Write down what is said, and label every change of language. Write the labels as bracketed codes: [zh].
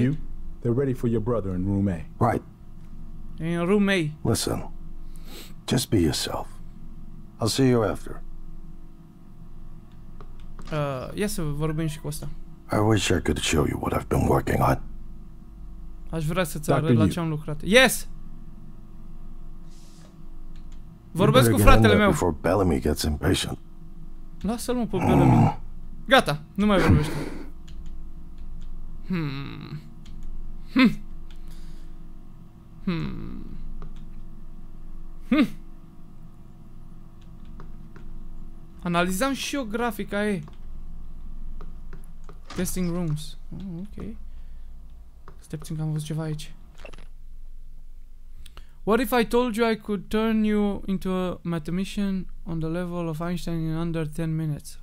[en] Yu, they're ready for your brother in room A. Right. In room A. Listen, just be yourself. I'll see you after. [ro] Ia să vorbim și cu asta. [en] I wish I could show you what I've been working on. [ro] Aș vrea să-ți arăt la ce am lucrat. [en] Yes! [ro] Vorbesc cu fratele meu. [en] Before Bellamy gets impatient. [ro] Lasă-l mă pe Bellamy. Gata, nu mai vorbește. Analizam și eu grafica aia. [en] Testing rooms. [ro] Oh, ok. Stai puțin că am văzut ceva aici. [en] What if I told you I could turn you into a mathematician on the level of Einstein in under 10 minutes?